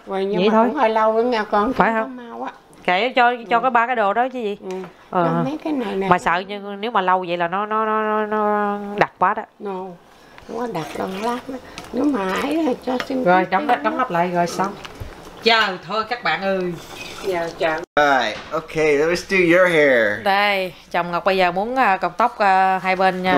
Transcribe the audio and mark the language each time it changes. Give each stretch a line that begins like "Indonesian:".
Vietnamese: Vậy nhưng vậy mà thôi. Cũng hơi lâu nữa nha con. Phải không? Kệ cho có ba cái đồ đó chứ gì. Ừ. Mấy cái này nè. Mà sợ như nếu mà lâu vậy là nó đặc quá đó. No. Quá đặc đâu lát. Nếu mà ấy thì cho xin. Rồi đóng nắp lại rồi xong. Chờ thôi các bạn ơi.
English: Right, okay, let's do your hair.
Vietnamese: Đây, chồng Ngọc bây giờ muốn cọc tóc hai bên nha.